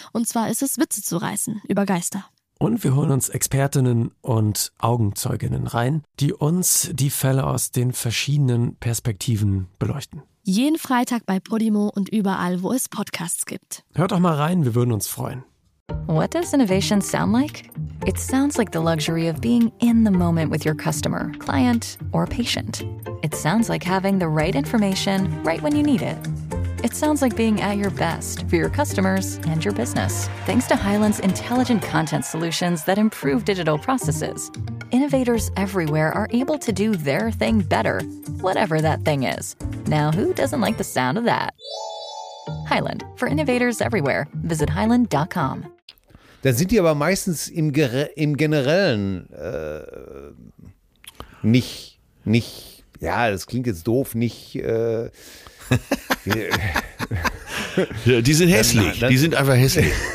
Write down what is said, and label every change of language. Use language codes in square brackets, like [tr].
[de] Und zwar ist es, Witze zu reißen über Geister. Und wir holen uns Expertinnen und Augenzeuginnen rein, die uns die Fälle aus den verschiedenen Perspektiven beleuchten. Jeden Freitag bei Podimo und überall, wo es Podcasts gibt. Hört doch mal rein, wir würden uns freuen. [en] What does innovation sound like? It sounds like the luxury of being in the moment with your customer, client, or patient. It sounds like having the right information right when you need it. It sounds like being at your best for your customers and your business. Thanks to Hyland's intelligent content solutions that improve digital processes, innovators everywhere are able to do their thing better, whatever that thing is. Now, who doesn't like the sound of that? Hyland, for innovators everywhere, visit Hyland.com. [de] Dann sind die aber meistens im Generellen nicht, ja, das klingt jetzt doof, nicht. die sind hässlich, dann, die sind einfach hässlich.